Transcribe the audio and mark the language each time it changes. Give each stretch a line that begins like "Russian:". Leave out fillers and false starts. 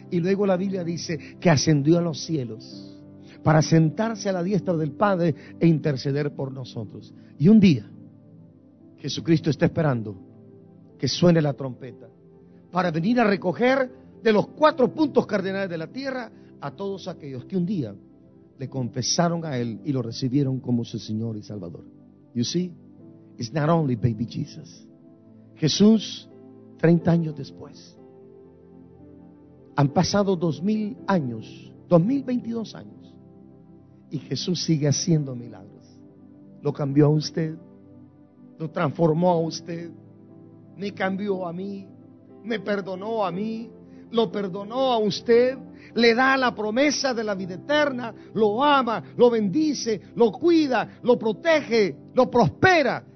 Spanish: Y luego la Biblia dice que ascendió a los cielos para sentarse a la diestra del Padre e interceder por nosotros. Y un día Jesucristo está esperando que suene la trompeta para venir a recoger de los 4 puntos cardinales de la tierra a todos aquellos que un día le confesaron a Él y lo recibieron como su Señor y Salvador.
English: You see, it's not only baby Jesus.
Spanish: Jesús, 30 años después. Han pasado 2000 años, 2022 años, y Jesús sigue haciendo milagros. Lo cambió a usted, lo transformó a usted, me cambió a mí, me perdonó a mí, lo perdonó a usted, le da la promesa de la vida eterna, lo ama, lo bendice, lo cuida, lo protege, lo prospera.